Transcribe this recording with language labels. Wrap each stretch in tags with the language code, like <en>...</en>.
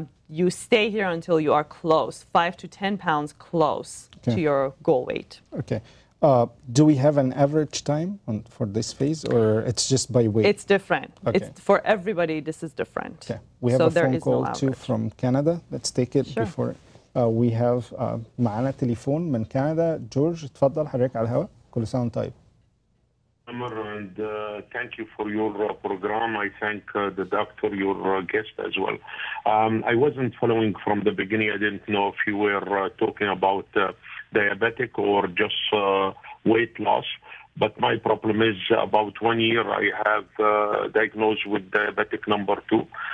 <en>You stay here until you are close, 5 to 10 pounds close okay. to your goal weight. Okay. Do we have an average time on, for this phase, or it's just by weight? It's different. Okay. It's for everybody, this is different. Okay. We have a phone call from Canada. Let's take it sure. before. We have</en> <ar>معنا تليفون من كندا. George, تفضل حضرتك على الهواء. كل سنة وانت طيب.</ar> <en>Tamer, and thank you for your program. I thank the doctor, your guest as well. I wasn't following from the beginning. I didn't know if you were talking about diabetic or just weight loss. But my problem is about 1 year I have diagnosed with diabetic number 2.</en>